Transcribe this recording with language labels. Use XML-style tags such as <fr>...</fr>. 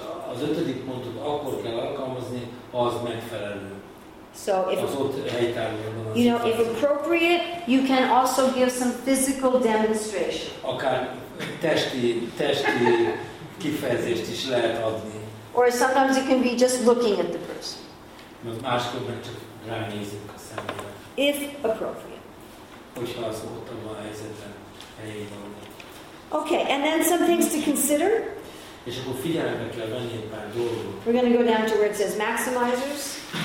<hu>Az ötödik pontot akkor kell alkalmazni, ha az megfelelő.</hu> <en>So if,</en> <hu>az ott helytálló.</hu> <en>You know, if appropriate, you can also give some physical demonstration.</en> <hu>Akár testi kifejezést is lehet adni.</hu> <en>Or sometimes it can be just looking at the person.</en> <hu>Máskor meg csak ránézünk a szemébe.</hu> <en>If appropriate.</en> <hu>Hogyha az ott abban a helyzetben.</hu> <en>Okay, and then some things to consider. We're going to go down to where it says maximizers.</en>